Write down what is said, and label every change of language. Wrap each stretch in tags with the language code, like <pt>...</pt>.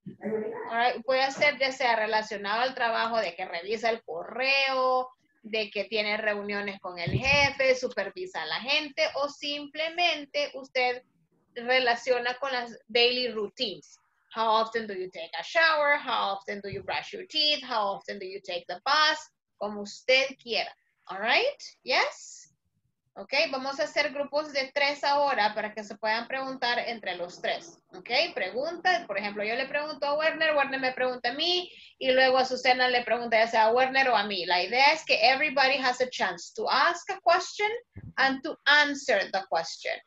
<es>Right. Puede ser ya sea relacionado al trabajo, de que revisa el correo, de que tiene reuniones con el jefe, supervisa a la gente, o simplemente usted relaciona con las</es> <en>daily routines. How often do you take a shower? How often do you brush your teeth? How often do you take the bus?</en> <es>Como usted quiera.</es> <en>All right? Yes? ¿Ok?</en> <es>Vamos a hacer grupos de tres ahora para que se puedan preguntar entre los tres. ¿Ok? Preguntas. Por ejemplo, yo le pregunto a Werner, Werner me pregunta a mí, y luego a Susana le pregunta ya sea a Werner o a mí. La idea es que</es> <en>everybody has a chance to ask a question and to answer the question.</en>